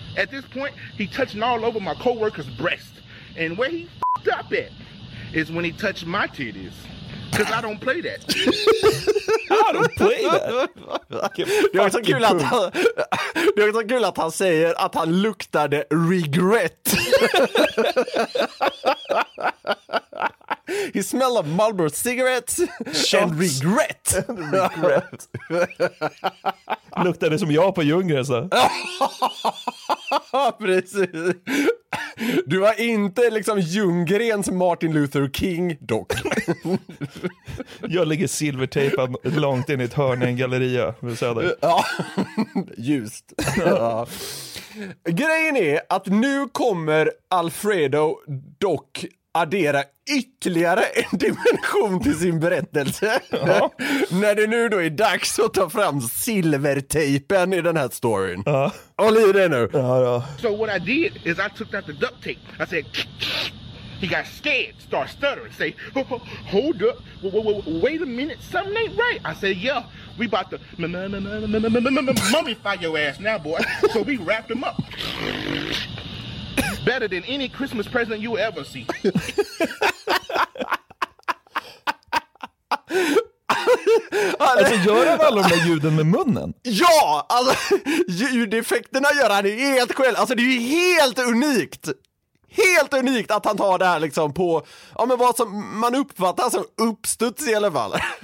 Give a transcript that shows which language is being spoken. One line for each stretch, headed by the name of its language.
English: At this point he touching all over my co-worker's breast. And where he fucked up at is when he touched my titties. Cause I don't play that. I don't play that.
Swedish: Det är så kul att han, det är så kul att han säger att han luktade regret.
English: He smelled of Marlboro cigarettes. Shots. And regret. Regret.
Swedish: Luktade som jag på Ljunggren så. Precis. Du var inte liksom Ljunggrens Martin Luther King dock. Jag ligger silvertejpad långt in i ett hörn i en galleria. Vill säga det. Ja, just. Ja. Grejen är att nu kommer Alfredo dock addera ytterligare en dimension till sin berättelse. Ja. När det nu då är dags att ta fram silvertejpen i den här storyn. Ja. Håll i det nu. Ja, ja.
English: So what I did is I took out the duct tape. I said, he got scared, start stuttering, say, hold up, wait a minute, something ain't right. I said, yeah, we about to mummify your ass now, boy. So we wrapped him up. Better than any Christmas present you ever see.
Swedish: Alltså gör han alla de där ljuden med munnen? Ja, alltså ljudeffekterna gör han helt själv. Alltså det är ju helt unikt. Helt unikt att han tar det här liksom på, ja men vad som man uppfattar som uppstuds i alla fall.